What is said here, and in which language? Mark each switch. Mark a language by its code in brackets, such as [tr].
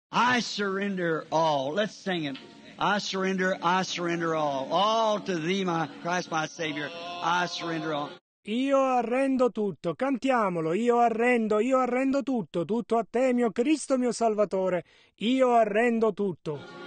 [en] I surrender all. Let's sing it. I surrender all. All to thee, my Christ, my Savior. I surrender all. [it] Io arrendo tutto, cantiamolo, io arrendo tutto, tutto a te, mio Cristo, mio Salvatore, io arrendo tutto.